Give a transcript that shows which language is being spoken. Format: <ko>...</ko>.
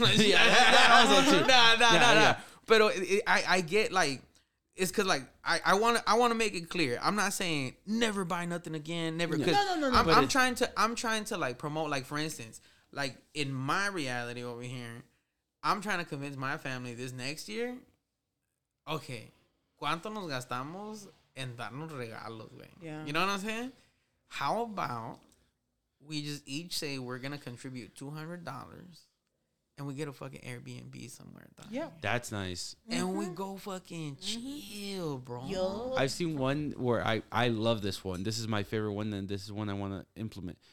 <en>Nah. But I get like, it's because like, I want to make it clear. I'm not saying never buy nothing again. Never. I'm trying to like promote, like, for instance, like in my reality over here, I'm trying to convince my family this next year.</en> <es>Okay, ¿cuánto nos gastamos en darnos regalos, güey?</es> <en>Yeah. You know what I'm saying? How about we just each say we're going to contribute $200 and we get a fucking Airbnb somewhere. Yeah. That's nice. And mm-hmm. we go fucking chill, bro. Yo. I've seen one where I love this one. This is my favorite one, and this is one I want to implement.</en>